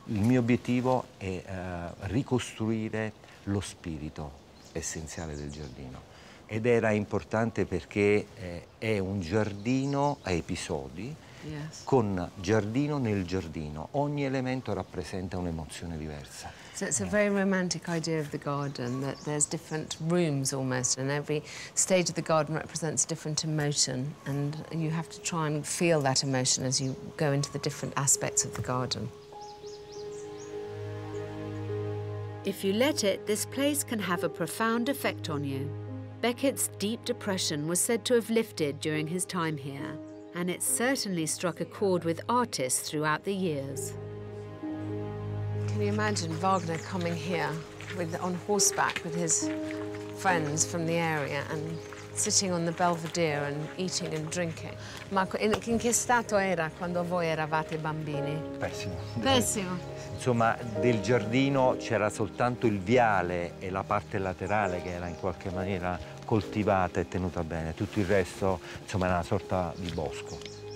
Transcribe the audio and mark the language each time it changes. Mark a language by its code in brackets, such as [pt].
[it] Il mio obiettivo è ricostruire lo spirito essenziale del giardino. Ed era importante perché è un giardino a episodi, con giardino nel giardino. Ogni elemento rappresenta un'emozione diversa. [en] So it's a very romantic idea of the garden, that there's different rooms almost, and every stage of the garden represents a different emotion, and you have to try and feel that emotion as you go into the different aspects of the garden. If you let it, this place can have a profound effect on you. Beckett's deep depression was said to have lifted during his time here, and it certainly struck a chord with artists throughout the years. Can you imagine Wagner coming here on horseback with his friends from the area and sitting on the Belvedere and eating and drinking? [it] Ma in che stato era quando voi eravate bambini? Pessimo. Insomma, del giardino c'era soltanto il viale e la parte laterale che era in qualche maniera coltivata e tenuta bene. Tutto il resto, insomma, era una sorta di bosco.